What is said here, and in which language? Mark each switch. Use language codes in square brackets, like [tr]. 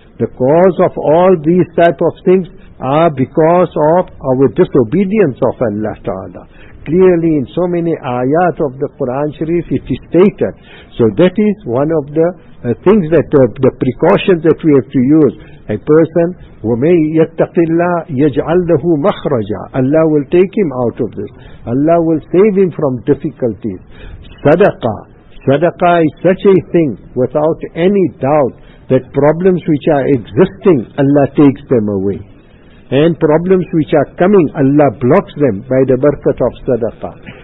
[en] The cause of all these type of things are because of our disobedience of Allah Ta'ala. Clearly in so many ayat of the Quran Sharif it is stated. So that is one of the things that the precautions that we have to use. A person, [ar] وَمَنْ يَتَّقِ اللَّهِ يَجْعَلْ لَهُ مَخْرَجًا. [en] Allah will take him out of this. Allah will save him from difficulties. Sadaqah is such a thing, without any doubt, that problems which are existing, Allah takes them away. And problems which are coming, Allah blocks them by the barakat of sadaqah.